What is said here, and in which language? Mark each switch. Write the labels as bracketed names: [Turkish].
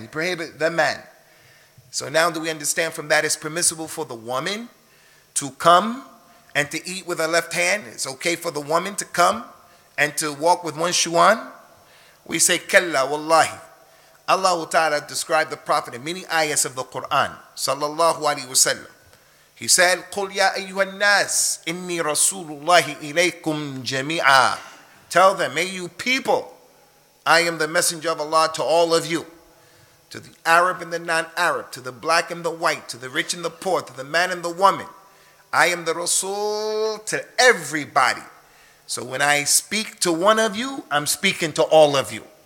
[English] He prohibited the man. So now do we understand from that it's permissible for the woman to come and to eat with her left hand? It's okay for the woman to come and to walk with one shoe on? We say, [Arabic] kalla wallahi. [English] Allah Ta'ala described the Prophet in many ayahs of the Quran, sallallahu alayhi wa sallam. He said, [Arabic] قُلْ يَا أَيُّهَا النَّاسِ إِنِّي رَسُولُ اللَّهِ إِلَيْكُمْ جَمِيعًا. [English] Tell them, may you people, I am the messenger of Allah to all of you, to the Arab and the non-Arab, to the black and the white, to the rich and the poor, to the man and the woman. I am the Rasul to everybody. So when I speak to one of you, I'm speaking to all of you.